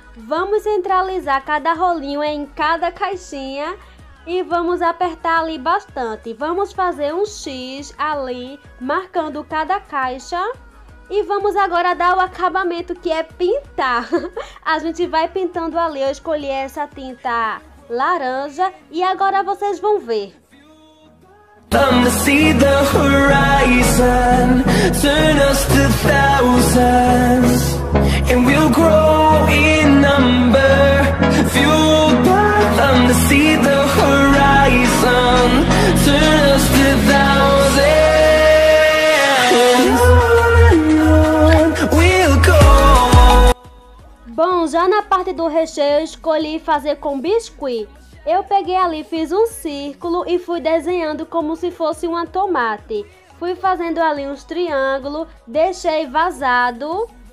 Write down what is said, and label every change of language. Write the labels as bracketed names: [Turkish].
[Portuguese] Vamos centralizar cada rolinho em cada caixinha e vamos apertar ali bastante. Vamos fazer um X ali, marcando cada caixa. E vamos agora dar o acabamento, que é pintar. A gente vai pintando ali, eu escolhi essa tinta laranja e agora vocês vão ver. [English] Come to see the horizon, turn us to thousands, and we'll grow in number, fueled by come to see the horizon, turn us to thousands, and on we'll go. [Portuguese] Bom, já na parte do recheio eu escolhi fazer com biscuit. Eu peguei ali, fiz um círculo e fui desenhando como se fosse uma tomate. Fui fazendo ali uns triângulos, deixei vazado.